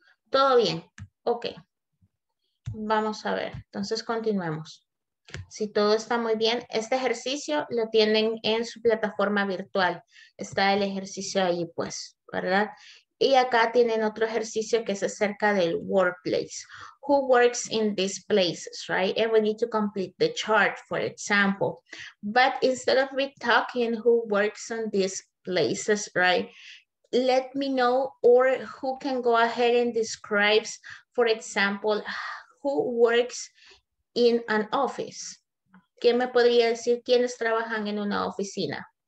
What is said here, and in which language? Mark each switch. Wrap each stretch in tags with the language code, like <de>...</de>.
<es>Todo bien, okay. Vamos a ver, entonces continuemos. Si todo está muy bien, este ejercicio lo tienen en su plataforma virtual. Está el ejercicio ahí pues, ¿verdad? Y acá tienen otro ejercicio que es acerca del workplace.</es> <en>Who works in these places, right? And we need to complete the chart, for example. But instead of me talking who works on this places, right? Let me know or who can go ahead and describes, for example, who works in an office.</en> <es>¿Quién me podría decir quiénes trabajan en una oficina?</es>